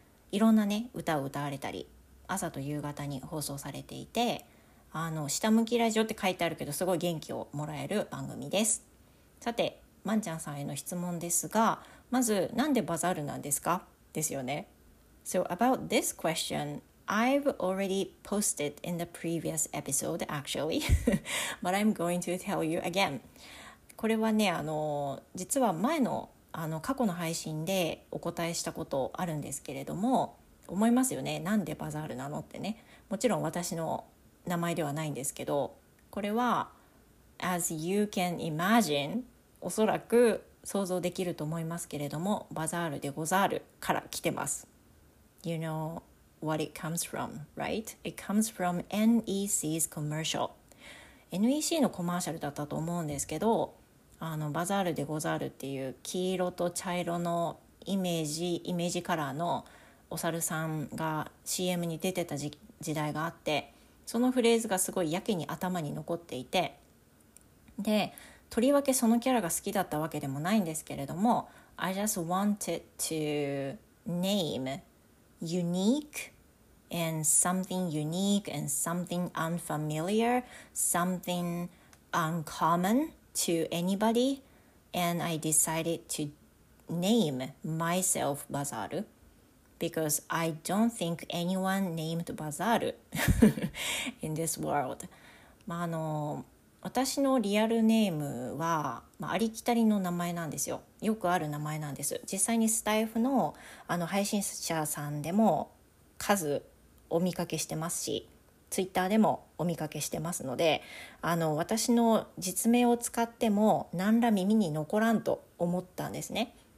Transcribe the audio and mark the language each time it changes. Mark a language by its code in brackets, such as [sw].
[ja] いろんなね歌を歌われたり、朝と夕方に放送されていて、あの下向きラジオって書いてあるけど、すごい元気をもらえる番組です。さてまんちゃんさんへの質問ですが、まずなんでバザールなんですか、ですよね。 [en] So about this questionI've already posted in the previous episode, actually. But I'm going to tell you again. [ja] これはね、あの実は前の、あの過去の配信でお答えしたことあるんですけれども、思いますよね。なんでバザールなのってね。もちろん私の名前ではないんですけど、これは [en] as you can imagine、 [ja] おそらく想像できると思いますけれども、バザールでござるから来てます。 [en] You know,what it comes from, right? It comes from NEC's commercial. [ja] NEC のコマーシャルだったと思うんですけど、あのバザールでござるっていう黄色と茶色のイメージカラーのお猿さんが CM に出てた時代があって、そのフレーズがすごいやけに頭に残っていて、でとりわけそのキャラが好きだったわけでもないんですけれども、 [en] I just wanted to nameUnique and something unique and something unfamiliar, something uncommon to anybody, and I decided to name myself Bazaru because I don't think anyone named Bazaru in this world. [ja] まああの私のリアルネームは、まあ、ありきたりの名前なんですよ。よくある名前なんです。実際にスタイフ の配信者さんでも数お見かけしてますし、ツイッターでもお見かけしてますので、あの私の実名を使っても何ら耳に残らんと思ったんですね。